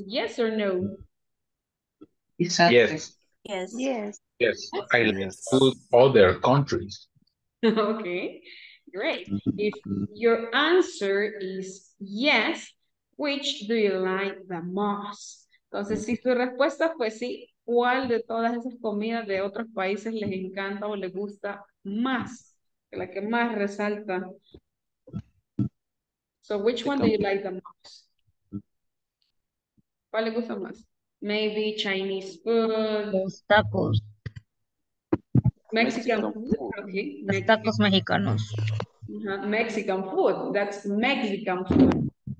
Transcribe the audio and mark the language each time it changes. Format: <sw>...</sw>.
<en>Yes or no? Yes. I like food from other countries. Okay, great. If your answer is yes, which do you like the most?</en> <es>Entonces, si tu respuesta fue sí, ¿cuál de todas esas comidas de otros países les encanta o les gusta más? La que más resalta.</es> <en>So, which one do you like the most?</en> <es>¿Cuál le gusta más?</es> <en>Maybe Chinese food.</en> <es>Los tacos.</es> <en>Mexican food.</en> <es>Los tacos mexicanos.</es> <en>Mexican food. That's Mexican food.</en>